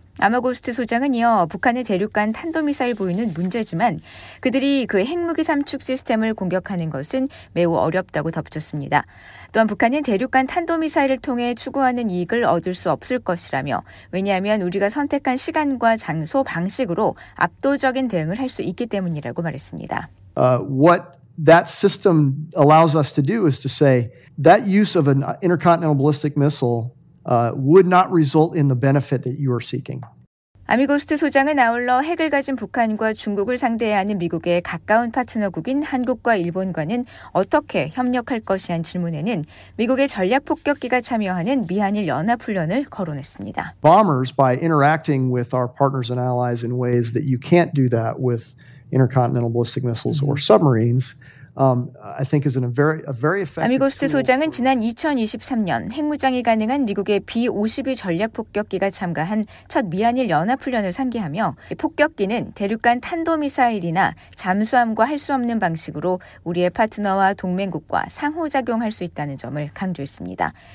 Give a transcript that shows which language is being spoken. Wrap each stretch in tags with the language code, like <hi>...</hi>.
<ko>아마고스트 소장은 이어 북한의 대륙간 탄도미사일 보유는 문제지만 그들이 그 핵무기 3축 시스템을 공격하는 것은 매우 어렵다고 덧붙였습니다. 또한 북한은 대륙간 탄도미사일을 통해 추구하는 이익을 얻을 수 없을 것이라며 왜냐하면 우리가 선택한 시간과 장소 방식으로 압도적인 대응을 할 수 있기 때문이라고 말했습니다.</ko> <en>What that system allows us to do is to say that use of an intercontinental ballistic missile would not result in the benefit that you are seeking.</en> <ko>아미고스트 소장은 아울러 핵을 가진 북한과 중국을 상대해야 하는 미국의 가까운 파트너국인 한국과 일본과는 어떻게 협력할 것이란 질문에는 미국의 전략 폭격기가 참여하는 미한일 연합 훈련을 거론했습니다.</ko> <en>Bombers by interacting with our partners and allies in ways that you can't do that with intercontinental ballistic missiles or submarines. I think is in a very effective.</en> <ko>아미고스트 소장은 지난 2023년 핵무장이 가능한 미국의 B-52 전략 폭격기가 참가한 첫 미한일 연합 훈련을 상기하며 폭격기는 대륙간 탄도미사일이나 잠수함과 할 수 없는 방식으로 우리의 파트너와 동맹국과 상호작용할 수 있다는 점을 강조했습니다.</ko>